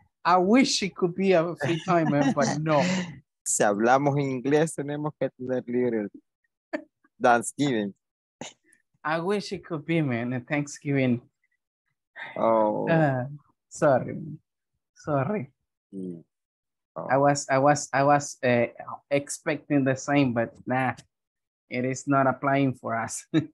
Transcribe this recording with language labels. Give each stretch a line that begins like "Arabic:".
English: I wish it could be a free time, man, but no.
Spanish: Si hablamos inglés, tenemos que tener libre Thanksgiving.
English: I wish it could be, man, a Thanksgiving. Oh. Sorry. Sorry. Mm. Oh. I was expecting the same, but nah, it is not applying for us.